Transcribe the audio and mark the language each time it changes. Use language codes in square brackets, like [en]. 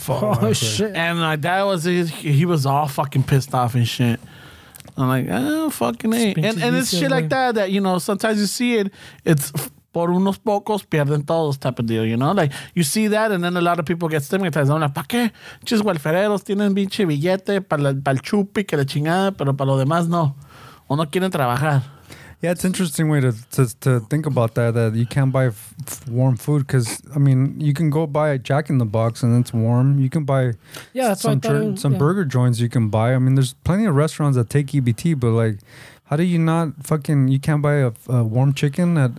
[en] Oh shit! And my dad was he was all fucking pissed off and shit. I'm like, oh, fucking ain't. And it's shit like that, you know, sometimes you see it, it's [es] por unos pocos pierden todos [en] type of deal, you know? Like, you see that, and then a lot of people get stigmatized. I'm like, [es] ¿pa qué? [en] Just [es] welfareros tienen pinche billete para el chupi que la chingada, pero para lo demás no. O no quieren trabajar. [en] Yeah, it's an interesting way to think about that you can't buy warm food because, I mean, you can go buy a Jack in the Box and it's warm. You can buy burger joints you can buy. I mean, there's plenty of restaurants that take EBT, but like, how do you not fucking, you can't buy a warm chicken?